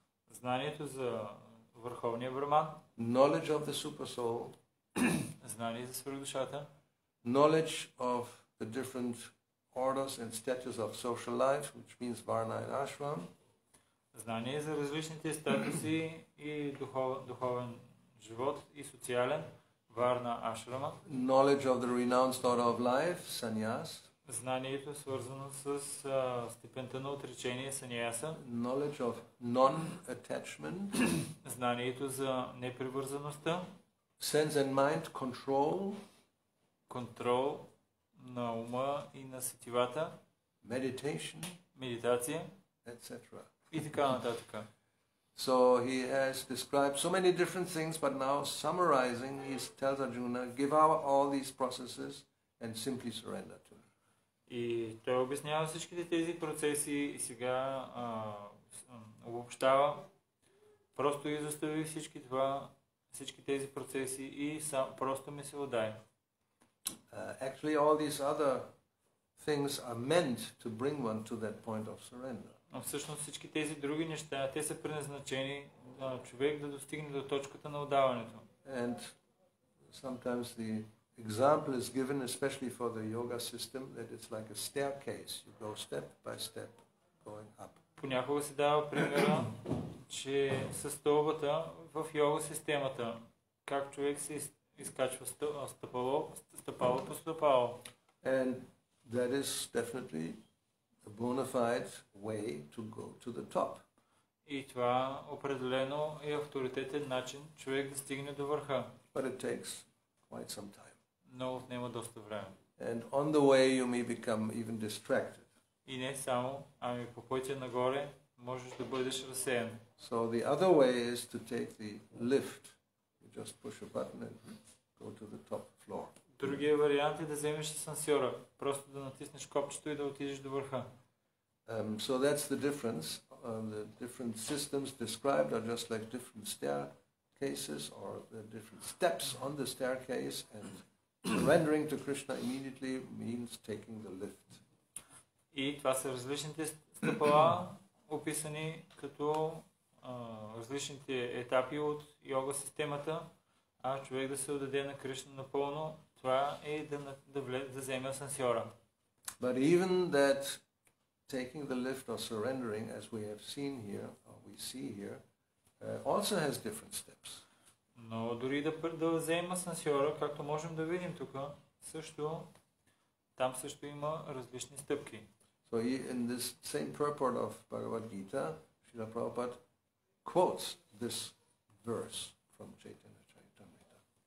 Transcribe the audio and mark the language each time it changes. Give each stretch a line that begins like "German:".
Bulgarian: Знанието за върховния Брахман,
English: knowledge of the super soul,
Bulgarian: знание за свръхдушата,
English: knowledge of the different orders and status of social life, which means varna and ashram,
Bulgarian: знание за различните статуси и духовен живот и социален варна ашрама.
English: Knowledge of the renounced order of life, sannyas.
Bulgarian: Знанието е свързано с степента на отречение, саньяса.
English: Knowledge of non-attachment.
Bulgarian: Знанието за непривързаността.
English: Sense and mind control.
Bulgarian: Контрол на ума и на сетивата.
English: Meditation.
Bulgarian: Медитация.
English: Etc.
Bulgarian: И така нататък.
English: So he has described so many different things, but now summarizing, he tells Arjuna, give up all these processes and simply surrender to me.
Bulgarian: И той обяснява всичките тези процеси и сега обобщава. Просто изостави всички това, всички тези процеси и просто ми се отдай.
English: Actually all these other things are meant to bring one to that point of surrender.
Bulgarian: Но всъщност всички тези други неща, те са предназначени човек да достигне до точката на отдаването.
English: And sometimes the example is given especially for the yoga system that it's like a staircase. You go step by step going up.
Bulgarian: Понякога се дава примера, че със стълбата в йога системата, как човек се изкачва стъпало, стъпало по стъпало.
English: And that is definitely a bona fide way to go to the top.
Bulgarian: И това определено е авторитетен начин човек да стигне до върха.
English: But it takes quite some time.
Bulgarian: Но отнема доста време.
English: And on the way you may become even distracted.
Bulgarian: И не само, ами по пътя нагоре можеш да бъдеш разсеян.
English: So the other way is to take the lift. You just push a button and go to the top floor.
Bulgarian: Другия вариант е да вземеш асансьора, просто да натиснеш копчето и да отидеш до върха.
English: So that's the difference. The different systems described are just like different staircases or the different steps on the staircase, and surrendering to Krishna immediately means taking the lift.
Bulgarian: И това са различните стъпала, описани като различните етапи от йога системата, а човек да се отдаде на Кришна напълно. Това е да вземе асансьора.
English: But even that taking the lift or surrendering, as we have seen here, or we see here, also has different steps.
Bulgarian: Но дори да вземе асансьора, както можем да видим тук, също там също има различни стъпки.
English: So in this same purport of Bhagavad Gita, Srila Prabhupada quotes this verse from Chaitanya Charitamrita.